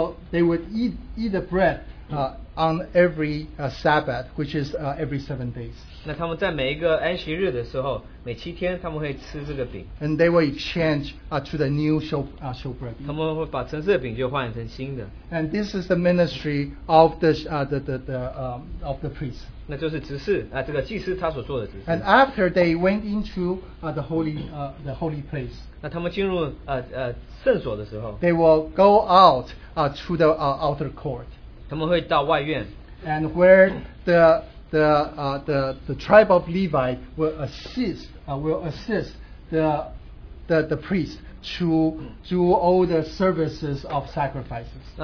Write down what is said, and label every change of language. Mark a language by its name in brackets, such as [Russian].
[English] they would eat the bread on every Sabbath, which is every 7 days. [Chinese] 那他们在每一个安息日的时候, 每7天他们会吃这个饼。 [English] And they will exchange to the new showbread. [Chinese] 他们会把陈设饼就换成新的。 [English] And this is the ministry of of the priest. [Chinese] 那就是执事, 这个祭司他所做的执事。 [English] And after they went into the holy place, [Chinese] 那他们进入, 圣所的时候, [English] they will go out to the outer court. [Chinese] 他们会到外院, [English] and where the tribe of Levi will assist the priest to do all the services of sacrifices.